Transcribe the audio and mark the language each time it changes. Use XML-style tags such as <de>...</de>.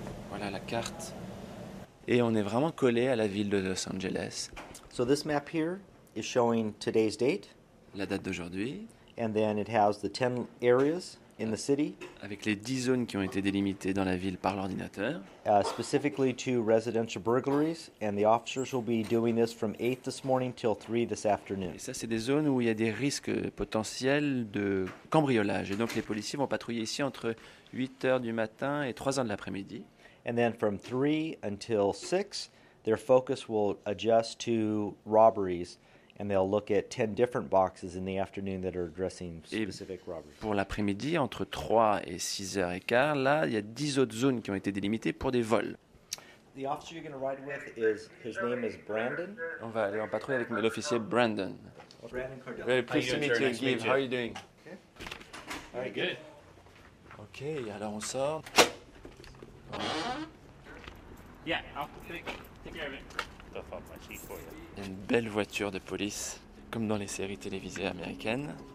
<fr>Voilà la carte. Et on est vraiment collé à la ville de Los Angeles.</fr> <en>So this map here is showing today's date.</en> <fr>La date d'aujourd'hui.</fr> <en>And then it has the 10 areas in the city.</en> <fr>Avec les 10 zones qui ont été délimitées dans la ville par l'ordinateur.</fr> <en>Specifically to residential burglaries, and the officers will be doing this from 8 this morning till 3 this afternoon.</en> <fr>Et ça, c'est des zones où il y a des risques potentiels de cambriolage. Et donc les policiers vont patrouiller ici entre 8h du matin et 3h de l'après-midi.</fr> <en>And then from 3 until 6, their focus will adjust to robberies. And they'll look at 10 different boxes in the afternoon that are addressing specific robberies.</en> <fr>Pour l'après-midi, entre 3 et 6h et quart, là, il y a 10 autres zones qui ont été délimitées pour des vols.</fr> <en>The officer you're going to ride with is, his name is Brandon.</en> <fr>On va aller en patrouille avec l'officier Brandon.</fr> <en>Brandon Cardell. Very pleased to meet you, Gabe. How are you doing? Okay. Very good.</en> <fr>Okay, alors on sort.</fr> <en>Yeah, I'll take care of it.</en> <fr>Une belle voiture de police, comme dans les séries télévisées américaines.</fr>